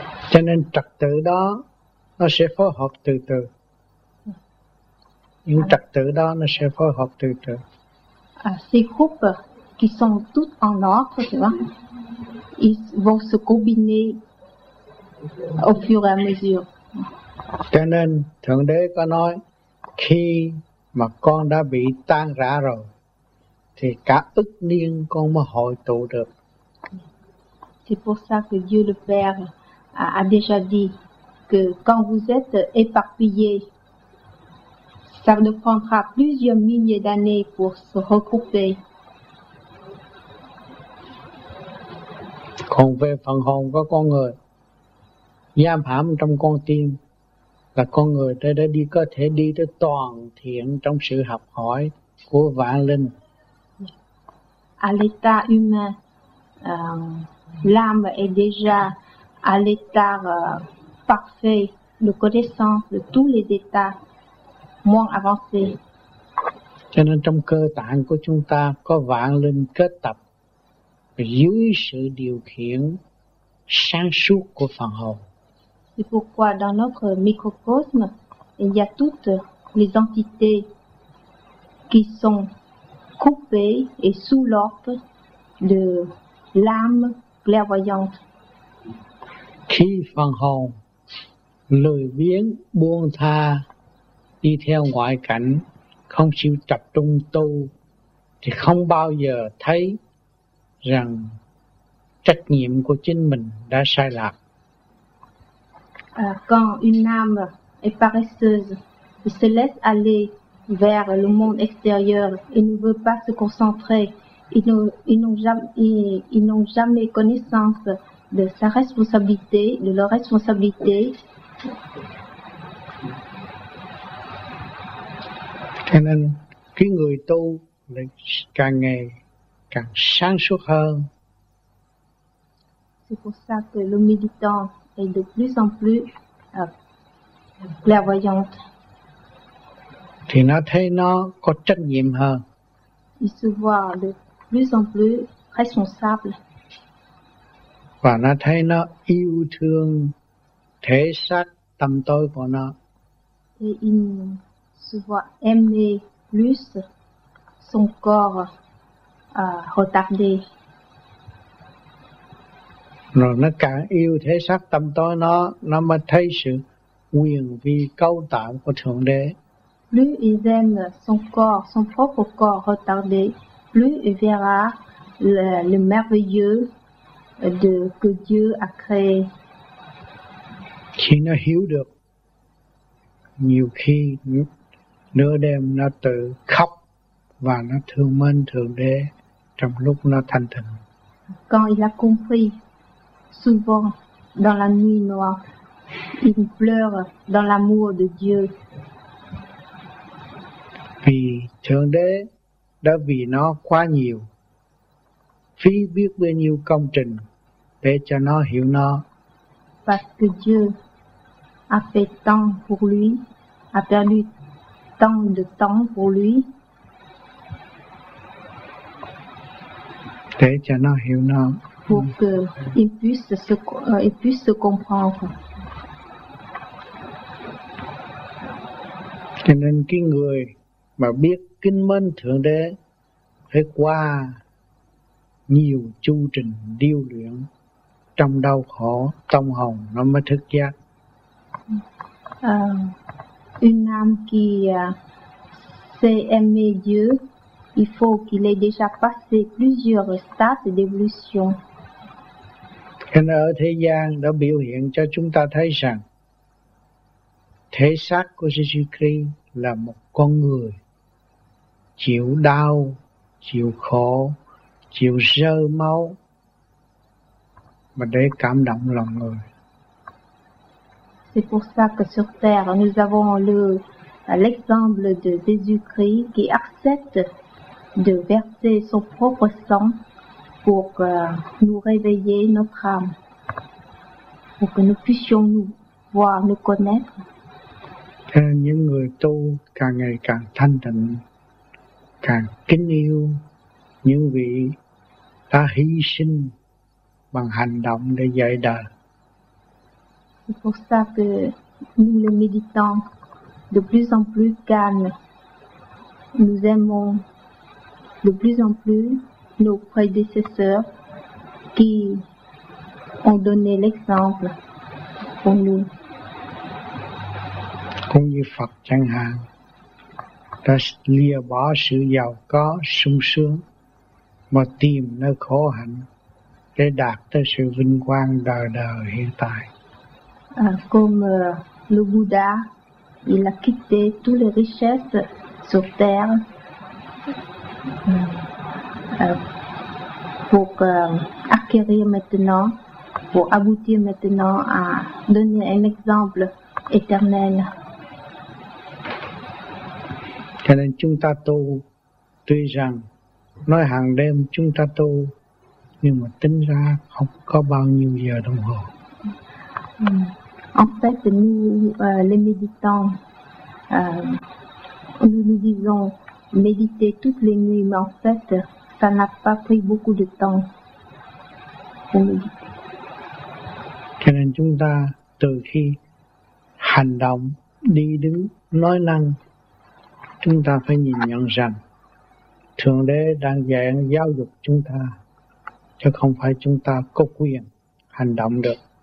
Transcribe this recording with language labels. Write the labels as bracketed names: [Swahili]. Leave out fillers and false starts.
[Vietnamese] Cho nên trật tự đó nó sẽ phối hợp từ từ, những trật tự đó nó sẽ phối hợp từ từ. [French] Ces groupes qui sont toutes en ordre, tu vois, ils vont se combiner au fur et à mesure. [Vietnamese] Cho nên Thượng Đế có nói, khi mà con đã bị tan rã rồi, thì cả ức niên con mới hội tụ được. [French] C'est pour ça que Dieu le Père a déjà dit que quand vous êtes éparpillé, ça ne prendra plusieurs milliers d'années pour se regrouper. [Vietnamese] Còn về phần hồn có con người giam hãm trong con tim, là con người tới đó đi có thể đi tới toàn thiện trong sự học hỏi của vạn linh. [French] À l'état humain, l'âme est déjà à l'état parfait de connaissance de tous les états moins avancés. [Vietnamese] Cho nên trong cơ tạng của chúng ta có vạn linh kết tập dưới sự điều khiển sáng suốt của phần hồn. [French] C'est pourquoi dans notre microcosme, il y a toutes les entités qui sont coupées et sous l'ordre de l'âme clairvoyante. [Vietnamese] Khi phần hồn lười biếng, buông tha, đi theo ngoại cảnh, không chịu tập trung tu, thì không bao giờ thấy rằng trách nhiệm của chính mình đã sai lạc. [French] Quand une âme est paresseuse, il se laisse aller vers le monde extérieur et ne veut pas se concentrer, ils n'ont jamais connaissance de sa responsabilité, de leur responsabilité. [Vietnamese] Cho nên cái người tu lại càng ngày càng sáng suốt hơn. [French] C'est pour ça que le méditant est de plus en plus clairvoyante. [Vietnamese] Thì nó thấy nó có trách nhiệm hơn. [French] Il se voit de plus en plus responsable. [Vietnamese] Và nó thấy nó yêu thương thể xác tâm tối của nó. [French] Et il se voit aimer plus son corps retardé. [Vietnamese] Rồi nó càng yêu thể xác tâm tối nó mới thấy sự quyền vi cao tạo của Thượng Đế. [French] Plus il aime son corps, son propre corps retardé, plus il verra le merveilleux de que Dieu a créé. [Vietnamese] Khi nó hiểu được, nhiều khi nửa đêm nó tự khóc và nó thương mến Thượng Đế trong lúc nó thanh tịnh. [French] Quand il a compris, souvent dans la nuit noire, il pleure dans l'amour de Dieu. [Vietnamese] Vì Thượng Đế đã vì nó quá nhiều, phí biết bao nhiêu công trình để cho nó hiểu nó. [French] Parce que Dieu a fait tant pour lui, a perdu tant de temps pour lui. [Vietnamese] Để cho nó hiểu nó. [French] Pour qu'il puisse se comprendre. [Vietnamese] Cho nên cái người mà biết kính mến Thượng Đế phải qua nhiều chu trình điêu luyện trong đau khổ tâm hồn nó mới thức giác. [French] Une âme qui sait aimer Dieu, il faut qu'il ait déjà passé plusieurs stades d'évolution. [Vietnamese] Nên ở thế gian đã biểu hiện cho chúng ta thấy rằng thể xác của Jésus-Christ là một con người chịu đau, chịu khổ, chịu rơ máu mà để cảm động lòng người. [French] C'est pour ça que sur terre nous avons l'exemple de Jésus-Christ qui accepte de verser son propre sang pour nous réveiller notre âme, pour que nous puissions nous voir, nous connaître. Et [Vietnamese] những người tu càng ngày càng thanh tịnh, càng kính yêu những vị đã hy sinh bằng hành động để dạy đời. [French] C'est pour ça que nous les méditants, de plus en plus calmes, nous aimons de plus en plus nos prédécesseurs qui ont donné l'exemple pour nous. [Vietnamese] Cũng như Phật chẳng hạn, đã lìa bỏ sự giàu có sung sướng mà tìm nơi khổ hạnh để đạt tới sự vinh quang đời đời hiện tại. [French] Comme le Bouddha, il a quitté toutes les richesses sur terre pour acquérir maintenant, pour aboutir maintenant à donner un exemple éternel. [Vietnamese] Cho nên chúng ta tu, tuy rằng nói hàng đêm chúng ta tu, nhưng mà tính ra không có bao nhiêu giờ đồng hồ. [French] En fait, nous, les méditants, nous disons méditer toutes les nuits, mais en fait, ça n'a pas pris beaucoup de temps pour méditer. [Vietnamese] Cho nên chúng ta, từ khi hành động, đi đứng, nói năng, chúng ta phải nhìn nhận rằng Thượng Đế đang dạy giáo dục chúng ta, chứ không phải chúng ta có quyền hành động được.